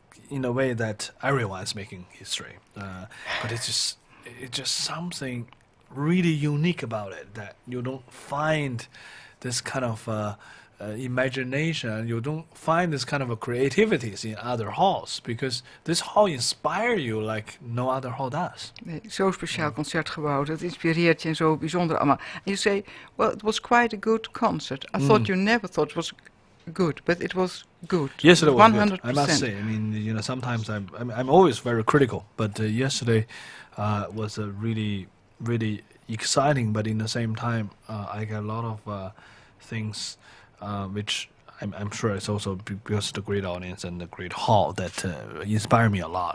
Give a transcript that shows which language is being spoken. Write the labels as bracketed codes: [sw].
[en] in a way that everyone's making history, but it's just something really unique about it, that you don't find this kind of imagination, you don't find this kind of a creativity in other halls, because this hall inspires you like no other hall does. [nl] Nee, zo speciaal concertgebouw, dat inspireert je en zo bijzonder allemaal. [en] And you say, well, it was quite a good concert. I thought you never thought it was good, but it was good. Yesterday was 100%. Good, I must say. I mean, you know, sometimes I'm always very critical, but yesterday was a really... really exciting, but in the same time, I got a lot of things, which I'm sure it's also because of the great audience and the great hall that inspired me a lot.